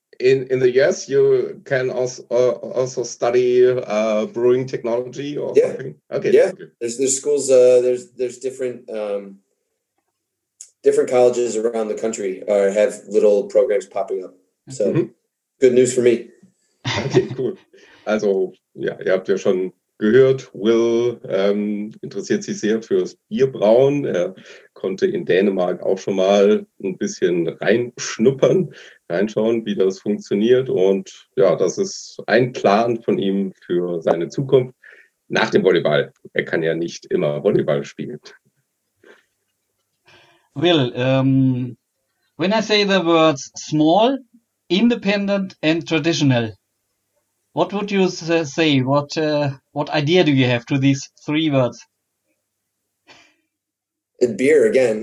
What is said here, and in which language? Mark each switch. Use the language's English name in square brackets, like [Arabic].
[English] In the US, you can also study brewing technology or something. Okay. Yeah. Okay. There's schools. There's different colleges around the country have little programs popping up. So good news for me. Okay. Cool. [German] Also, [English] yeah, you have [German] schon gehört, Will interessiert sich sehr fürs Bierbrauen. Er konnte in Dänemark auch schon mal ein bisschen reinschnuppern, reinschauen, wie das funktioniert. Und ja, das ist ein Plan von ihm für seine Zukunft nach dem Volleyball. Er kann ja nicht immer Volleyball spielen. [English] Will, when I say the words small, independent and traditional, what would you say? What idea do you have to these three words? And beer again.